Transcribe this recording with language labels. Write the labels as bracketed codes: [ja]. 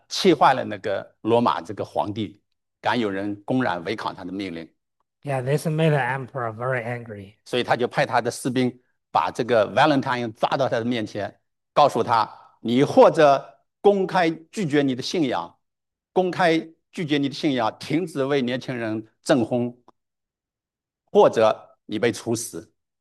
[zh] 气坏了那个罗马这个皇帝，敢有人公然违抗他的命令。 [en] Yeah, this made the emperor very angry. [zh] 所以他就派他的士兵把这个 Valentine 抓到他的面前，告诉他：“你或者公开拒绝你的信仰，公开拒绝你的信仰，停止为年轻人证婚，或者你被处死。